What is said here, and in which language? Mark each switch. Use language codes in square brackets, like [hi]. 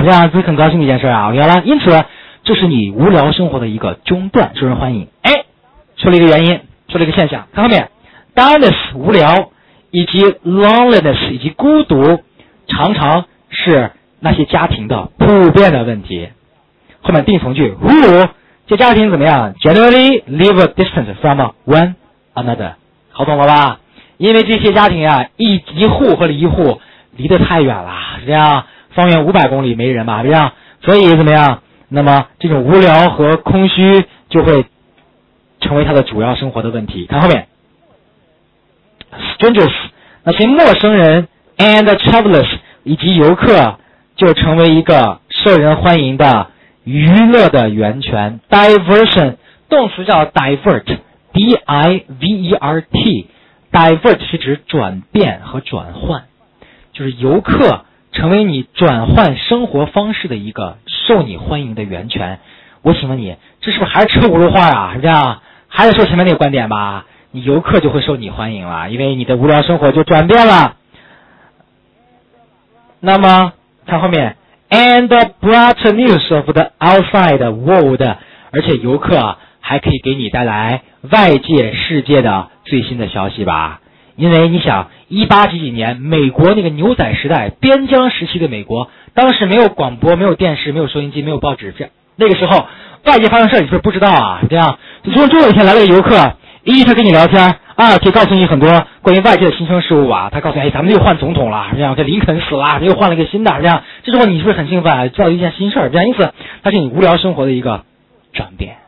[zh] 这样是很高兴的一件事啊，好了。因此，这是你无聊生活的一个中断，受人欢迎。哎。出了一个原因，出了一个现象，看后面 dullness 无聊以及 loneliness 以及孤独常常是那些家庭的普遍的问题。后面定从句 who 这家庭怎么样 [en] generally live a distance from one another， [zh] 好懂了吧？因为这些家庭啊，一户和一户离得太远了，这样方圆500公里没人吧，这样所以怎么样，那么这种无聊和空虚就会成为他的主要生活的问题。看后面 strangers 那些陌生人 and travelers 以及游客就成为一个受人欢迎的娱乐的源泉。 diversion 动词叫 divert， D-I-V-E-R-T， divert 是指转变和转换，就是游客成为你转换生活方式的一个受你欢迎的源泉。我请问你，这是不是还是车轱辘话啊？是这样，还是说前面那个观点吧，你游客就会受你欢迎了，因为你的无聊生活就转变了。那么看后面 [en] and brought news of the outside world. [zh] 而且游客还可以给你带来外界世界的最新的消息吧。因为你想1800几几年美国那个牛仔时代，边疆时期的美国，当时没有广播，没有电视，没有收音机，没有报纸，这那个时候外界发生事你是不知道啊，这样就说中有一天来了个游客，一他跟你聊天，二他告诉你很多关于外界的新生事物啊，他告诉你，哎，咱们又换总统了，这样这林肯死了，又换了一个新的，这样这时候你是不是很兴奋，知道一件新事，这样因此他是你无聊生活的一个转变。